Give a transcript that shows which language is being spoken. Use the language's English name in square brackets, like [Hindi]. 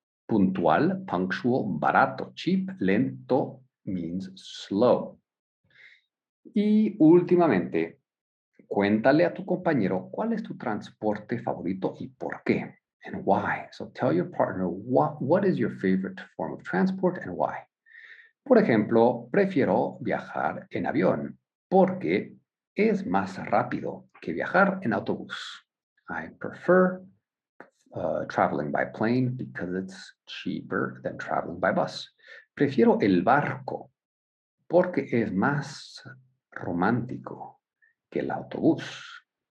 [English] Puntual, punctual, barato, cheap, lento means slow. [Spanish] Y últimamente, cuéntale a tu compañero cuál es tu transporte favorito y por qué, [English] and why. So tell your partner what is your favorite form of transport and why. [Spanish] Por ejemplo, prefiero viajar en avión porque es más rápido que viajar en autobús. [English] I prefer traveling by plane because it's cheaper than traveling by bus. [Spanish] Prefiero el barco porque es más romántico que el autobús.